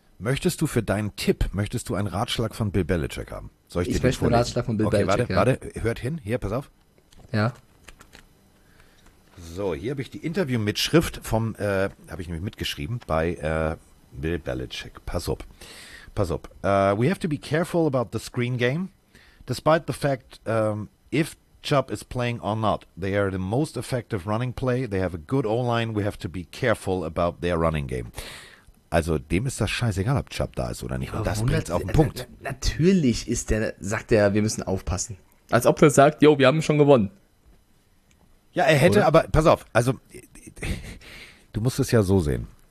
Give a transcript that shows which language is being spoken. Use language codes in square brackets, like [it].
[de] Möchtest du für deinen Tipp, möchtest du einen Ratschlag von Bill Belichick haben? Soll ich dir möchte einen Ratschlag von Bill Belichick. Okay, warte, hört hin. Hier, pass auf. Ja. So, hier habe ich die Interview-Mitschrift vom, habe ich nämlich mitgeschrieben, bei Bill Belichick. Pass auf. [en] We have to be careful about the screen game, despite the fact if Chubb is playing or not. They are the most effective running play. They have a good O-line. We have to be careful about their running game. [de] Also dem ist das scheißegal, ob Chubb da ist oder nicht. Und das bringt es auf den Punkt. Natürlich sagt er, wir müssen aufpassen. Als ob er sagt, jo, wir haben schon gewonnen. Ja, er hätte, oder? Aber pass auf. Also du musst es ja so sehen.